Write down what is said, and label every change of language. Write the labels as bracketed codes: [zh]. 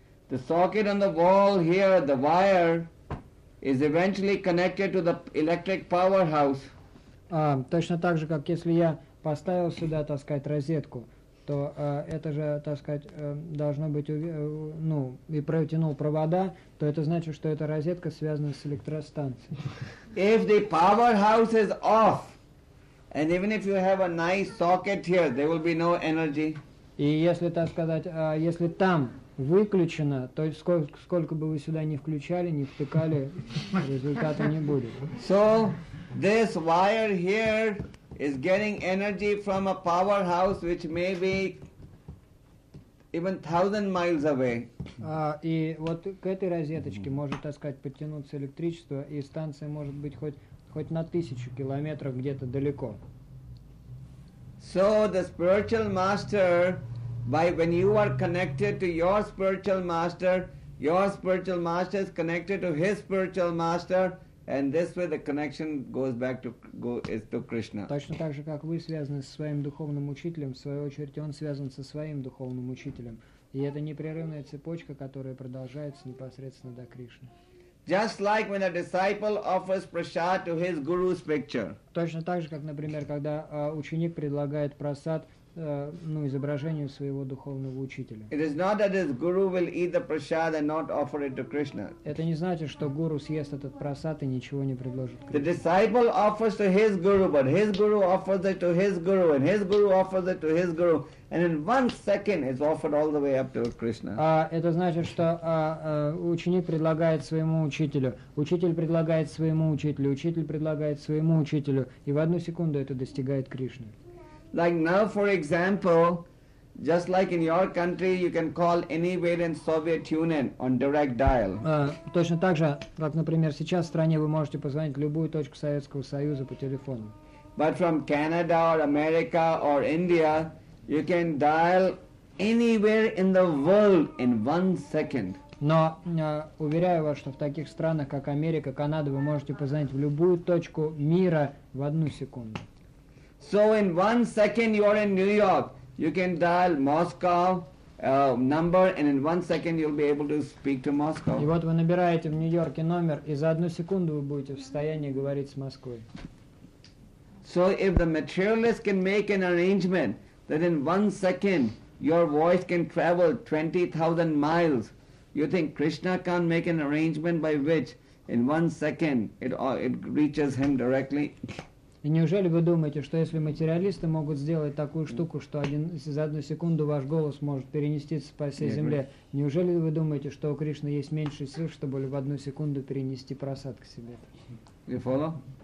[en] The socket on the wall here, the wire, is eventually connected to the electric powerhouse. [ru] Точно так же, как если я поставил сюда, так сказать, розетку, то это же, так сказать, должно быть, и протянул провода, то это значит, что эта розетка связана с электростанцией. [en] If the powerhouse is off, and even if you have a nice socket here, there will be no energy. [ru] И если, так сказать, если там выключено, то есть сколько бы вы сюда ни включали, ни втыкали, результата не будет. [en] So, this wire here is getting energy from a powerhouse which may be even 1,000 miles away. [ru] И вот к этой розеточке может, так сказать, подтянуться электричество, и станция может быть хоть на 1,000 километров где-то далеко. [en] So the spiritual master, when you are connected to your spiritual master is connected to his spiritual master, And this way the connection goes back to go is to Krishna. [ru] Точно так же, как вы связаны со своим духовным учителем, в свою очередь он связан со своим духовным учителем. И это непрерывная цепочка, которая продолжается непосредственно до Кришны. [en] Just like when a disciple offers prasad to his guru's picture. [ru] Точно так же, как, например, когда ученик предлагает прасад изображению своего духовного учителя. [en] It is not that his guru will eat the prasad and not offer it to Krishna. [ru] Это не значит, что гуру съест этот прасад и ничего не предложит Кришне. [en] The disciple offers to his guru, but his guru offers it to his guru, and his guru offers it to his guru, and in one second it's offered all the way up to Krishna. [ru] Это значит, что ученик предлагает своему учителю, учитель предлагает своему учителю, учитель предлагает своему учителю, и в одну секунду это достигает Кришны. [en] Like now, for example, just like in your country, you can call anywhere in Soviet Union on direct dial. [ru] Точно так же, как, например, сейчас в стране вы можете позвонить в любую точку Советского Союза по телефону. [en] But from Canada or America or India, you can dial anywhere in the world in one second. [ru] Но уверяю вас, что в таких странах, как Америка, Канада, вы можете позвонить в любую точку мира в одну секунду. [en] So in one second you are in New York, you can dial Moscow number, and in one second you'll be able to speak to Moscow. [ru] И вот вы набираете в Нью-Йорке номер, и за одну секунду вы будете в состоянии говорить с Москвой. [en] So if the materialist can make an arrangement that in one second your voice can travel 20,000 miles, you think Krishna can't make an arrangement by which in one second it reaches him directly? [ru] И неужели вы думаете, что если материалисты могут сделать такую штуку, что за одну секунду ваш голос может перенеститься по всей земле, неужели вы думаете, что у Кришны есть меньше сил, чтобы в одну секунду перенести просад к себе? [en] You follow?